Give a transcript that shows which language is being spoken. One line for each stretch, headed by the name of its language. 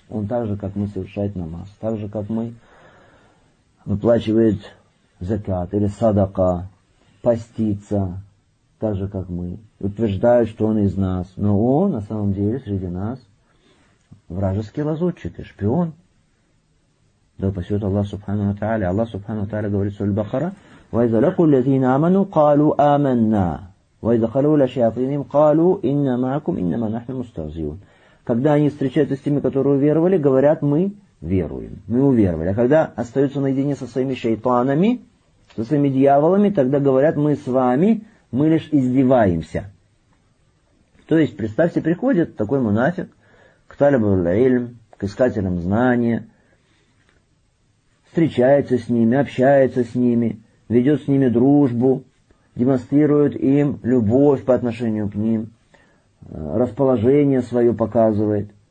Russian: Он так же, как мы совершает намаз, так же, как мы выплачивает закят или садака, постится, так же, как мы. Утверждают, что он из нас. Но он на самом деле среди нас вражеский лазутчик и шпион. Да упасет Аллах Субхану Ва Тааля. Аллах Субхану Ва Тааля говорит в Сурат Аль-Бакара:
Arabic: وإذا لقوا الذين آمنوا قالوا آمنا وإذا خلوا لشياطينهم قالوا إنا معكم إنما نحن مستهزئون.
Russian: Когда они встречаются с теми, которые уверовали, говорят, мы веруем, мы уверовали. А когда остаются наедине со своими шайтанами, со своими дьяволами, тогда говорят, мы с вами, мы лишь издеваемся. То есть, представьте, приходит такой мунафик к талибу-ль-ильм, к искателям знания, встречается с ними, общается с ними, ведет с ними дружбу, демонстрирует им любовь по отношению к ним, расположение свое показывает.